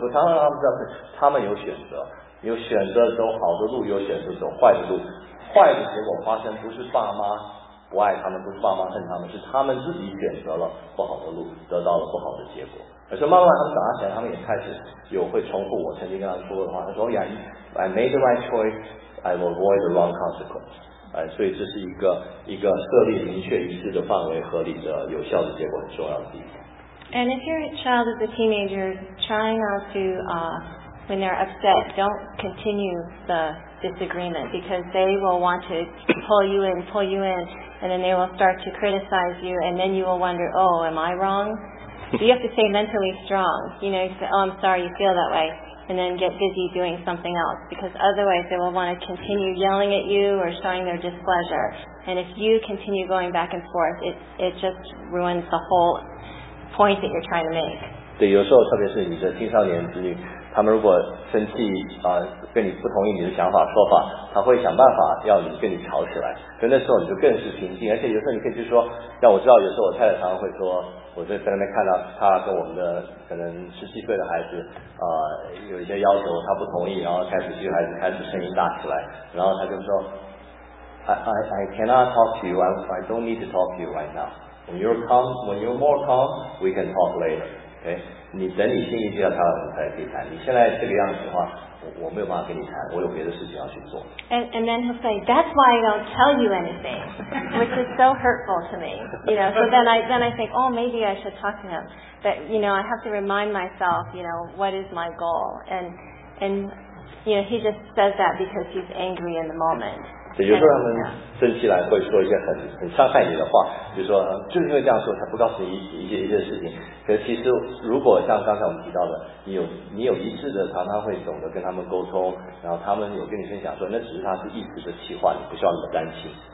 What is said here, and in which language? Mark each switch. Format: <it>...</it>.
<zh>我常常让他们知道他们有选择，有选择走好的路，有选择走坏的路，坏的结果发生不是爸妈不爱他们，不是爸妈恨他们，是他们自己选择了不好的路，得到了不好的结果。而且慢慢他们长大起来，他们也开始有会重复我曾经跟他们说的话，他说</zh> <en>Yeah, I made the right choice, I will avoid the wrong consequence.</en> <zh>所以这是一个设立明确一致的范围，合理的有效的结果，很重要的地方。</zh> <en>And if your child is a teenager, try not to, when they're upset, don't continue the disagreement because they will want to pull you in, and then they will start to criticize you, and then you will wonder, oh, am I wrong? So you have to stay mentally strong. You know, you say, oh, I'm sorry you feel that way, and then get busy doing something else because otherwise they will want to continue yelling at you or showing their displeasure. And if you continue going back and forth, it just ruins the whole point that you're trying to make.</en> <zh>对，有时候特别是你的青少年子女，他们如果生气啊，跟你不同意你的想法说法，他会想办法要你跟你吵起来。所以那时候你就更是平静，而且有时候你可以就说，像我知道有时候我太太常常会说，我在那边看到他跟我们的可能十七岁的孩子有一些要求，他不同意，然后开始这个孩子开始声音大起来，然后他就说</zh> <en>I cannot talk to you, I don't need to talk to you right now. When you're more calm, we can talk later.</en> <zh>Okay, 你等你心里知道他了，你才可以谈。你现在这个样子的话，我没有办法跟你谈，我有别的事情要去做。</zh> <en>And then he'll say, "That's why I don't tell you anything," which is so hurtful to me. You know, so then I think, "Oh, maybe I should talk to him." But you know, I have to remind myself, you know, what is my goal? And you know, he just says that because he's angry in the moment.</en> <zh>对，有时候他们生气来会说一些很伤害你的话，比如说，就因为这样说才不告诉你一些事情。可是其实如果像刚才我们提到的，你有一致的常常会懂得跟他们沟通，然后他们有跟你分享说那只是他是一时的气话，你不需要那么担心。</zh>